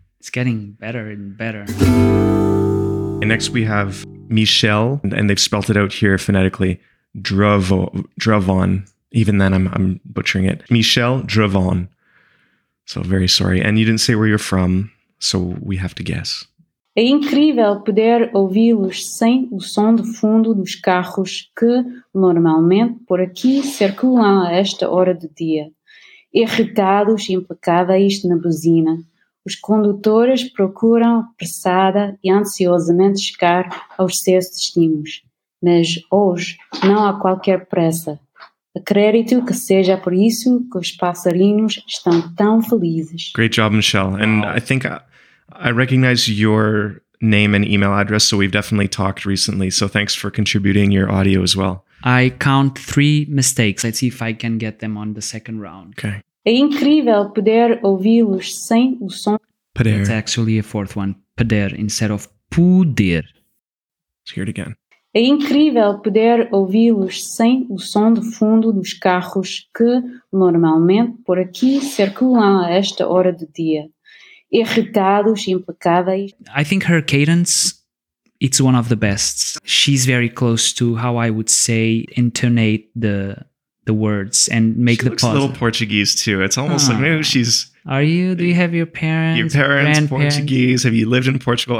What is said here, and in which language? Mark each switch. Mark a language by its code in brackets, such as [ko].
[en] It's getting better and better. And next we have Michel, and they've spelt it out here phonetically. Drevon. Even then I'm butchering it. Michel Drevon. So very sorry. And you didn't say where you're from, so we have to guess. [pt] É incrível poder ouvi-los sem o som de fundo dos carros que, normalmente, por aqui circulam a esta hora do dia. Irritados, implacáveis na buzina. Os condutores procuram apressada e ansiosamente chegar aos seus destinos. Mas hoje não há qualquer pressa. Acredito que seja por isso que os passarinhos estão tão felizes. [en] Great job, Michelle. And I think... I recognize your name and email address, so we've definitely talked recently. So thanks for contributing your audio as well. I count three mistakes. Let's see if I can get them on the second round. Okay. [pt] É incrível poder ouvi-los sem o som. Poder. [en] It's actually a fourth one. Poder instead of poder. Let's hear it again. [pt] É incrível poder ouvi-los sem o som de fundo dos carros que, normalmente, por aqui circulam a esta hora do dia. Irritados, implacáveis. [en] I think her cadence, it's one of the best. She's very close to how I would say, intonate the words and make she the pause. She looks a little Portuguese, too. It's almost like maybe she's... Are you? Do you have your parents, Portuguese? Have you lived in Portugal?